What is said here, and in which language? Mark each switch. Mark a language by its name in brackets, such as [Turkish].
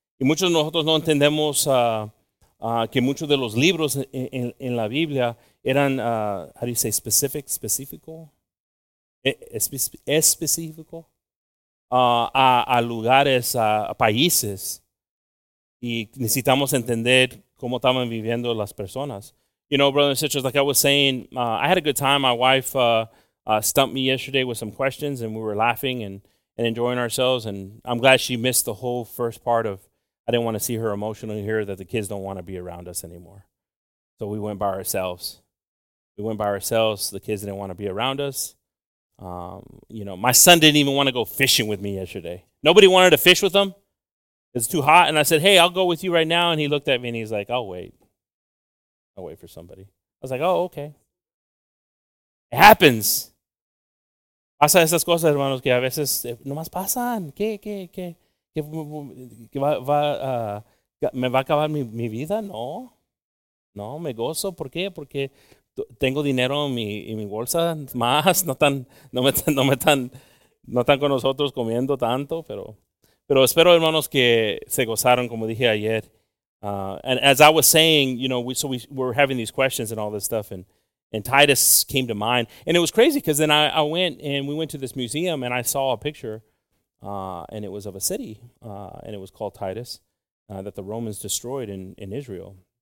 [Spanish] Y muchos de nosotros no entendemos que muchos de los libros en la Biblia eran, [English] how do you say, [Spanish] específico a lugares, a países. Y necesitamos entender cómo estaban viviendo las personas. [English] You know, brothers and sisters, like I was saying, I had a good time. My wife stumped me yesterday with some questions, and we were laughing and enjoying ourselves. And I'm glad she missed the whole first part of, I didn't want to see her emotionally here, that the kids don't want to be around us anymore. So we went by ourselves. We went by ourselves. The kids didn't want to be around us. You know, my son didn't even want to go fishing with me yesterday. Nobody wanted to fish with him. It's too hot. And I said, hey, I'll go with you right now. And he looked at me and he's like, I'll wait for somebody. I was like, oh, okay. It happens. [Spanish] Pasa esas cosas, hermanos, que a veces nomás pasan. ¿Me va a acabar mi vida? No, me gozo. ¿Por qué? Porque tengo dinero en mi bolsa más. No están con nosotros comiendo tanto, pero espero, hermanos, que se gozaron, como dije ayer. [English] And as I was saying, you know, we were having these questions and all this stuff, and Titus came to mind. And it was crazy because then I went, and we went to this museum, and I saw a picture, and it was of a city, and it was called Titus, that the Romans destroyed in Israel.